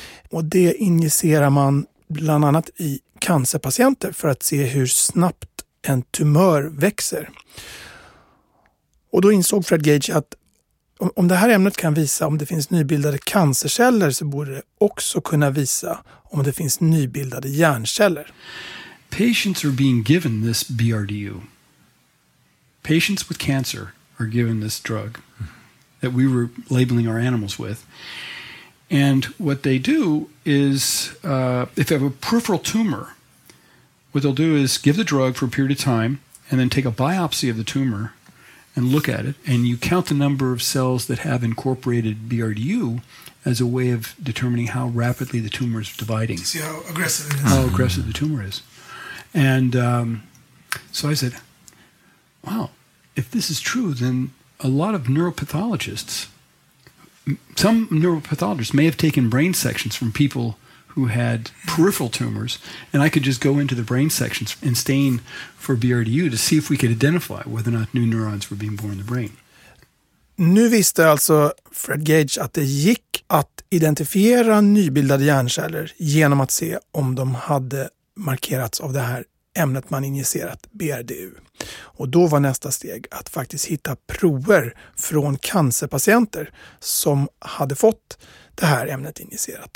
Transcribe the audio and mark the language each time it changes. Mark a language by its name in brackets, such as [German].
[Swedish] Och det injicerar man bland annat i cancerpatienter för att se hur snabbt en tumör växer. Och då insåg Fred Gage att om det här ämnet kan visa om det finns nybildade cancerceller, så borde det också kunna visa om det finns nybildade hjärnceller. [English] Patients are being given this BRDU. Patients with cancer are given this drug that we were labeling our animals with. And what they do is, if they have a peripheral tumor, what they'll do is give the drug for a period of time and then take a biopsy of the tumor and look at it, and you count the number of cells that have incorporated BRDU as a way of determining how rapidly the tumor is dividing. To see how aggressive it is. How aggressive the tumor is. And so I said, wow, if this is true, then a lot of neuropathologists, some neuropathologists may have taken brain sections from people who had peripheral tumors, and I could just go into the brain sections and stain for BRDU to see if we could identify whether or not new neurons were being born in the brain. [Swedish] Nu visste alltså Fred Gage att det gick att identifiera nybildade hjärnceller genom att se om de hade markerats av det här ämnet man injicerat, BRDU. Och då var nästa steg att faktiskt hitta prover från cancerpatienter som hade fått det här ämnet injicerat.